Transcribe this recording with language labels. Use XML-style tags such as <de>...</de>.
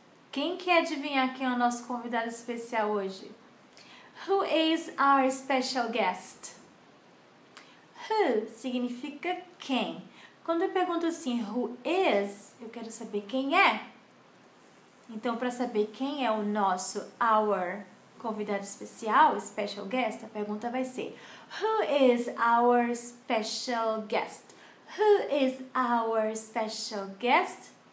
<pt>Quem quer adivinhar quem é o nosso convidado especial hoje?</pt> <en>Who is our special guest?</en> <pt>Who significa quem. Quando eu pergunto assim,</pt> <en>who is,</en> <pt>eu quero saber quem é. Então, para saber quem é o nosso, our, convidado especial,</pt> <en>special guest,</en> <pt>a pergunta vai ser</pt> <en>who is our special guest? Who is our special guest?</en>